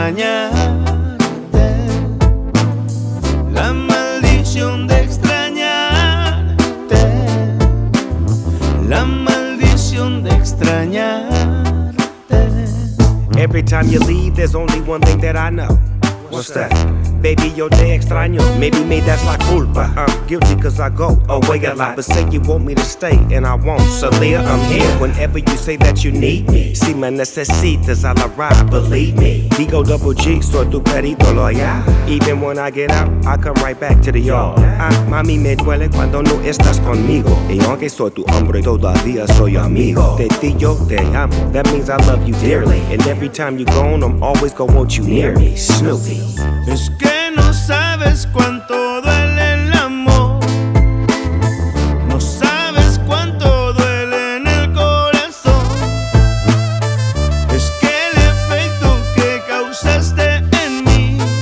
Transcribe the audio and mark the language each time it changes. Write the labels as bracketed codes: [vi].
[es] extrañarte, la maldición de extrañarte, la maldición de extrañarte. [en] Every time you leave, there's only one thing that I know. What's that? [es] Baby, yo te extraño. Maybe me das la culpa. [en] I'm guilty cause I go away a lot. But say you want me to stay and I won't. So Leah, I'm here whenever you say that you need me. [es] Si me necesitas, [en] I'll arrive, believe me. Digo double G, [es] soy tu perito [en] loyal. Even when I get out, I come right back to the yard. [es] Ah, mami, me duele cuando no estás conmigo. Y aunque soy tu hombre, todavía soy amigo. De ti yo te amo. [en] That means I love you dearly. And every time you gone, I'm always gonna want you near me. Snoopy. [es] Es que no sabes cuánto duele el amor. No sabes cuánto duele en el corazón. Es que el efecto que causaste en mí.